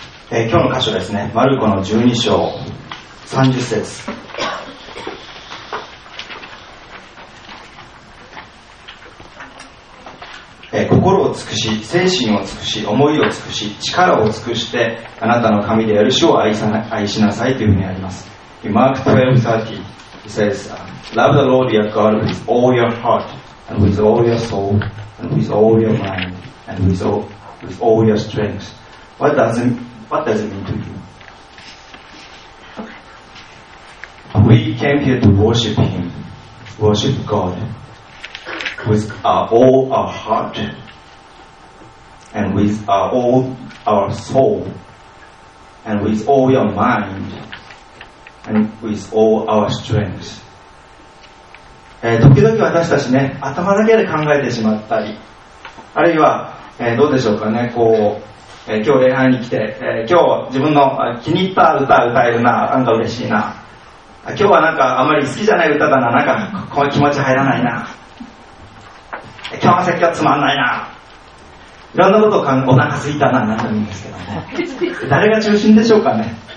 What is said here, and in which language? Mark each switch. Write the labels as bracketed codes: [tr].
[ja] 今日の箇所ですね、マルコの12章30節。心を尽くし、精神を尽くし、思いを尽くし、力を尽くして、あなたの神である主を愛しなさいというふうにあります。 [en] Mark 12:30 says, Love the Lord your God with all your heart and with all your soul and with all your mind and with all your strength. What does it mean to you? We came here to worship Him, worship God with all our heart and with all our soul and with all your mind and with all our strength. [ja] 時々私たちね、頭だけで考えてしまったり、あるいは、どうでしょうかね、こう今日礼拝に来て、今日自分の気に入った歌歌えるな、なんか嬉しいな、今日はなんかあまり好きじゃない歌だな、なんかこの気持ち入らないな、今日は説教つまんないな、いろんなことをお腹すいたな、なんて言うんですけどね、誰が中心でしょうかね。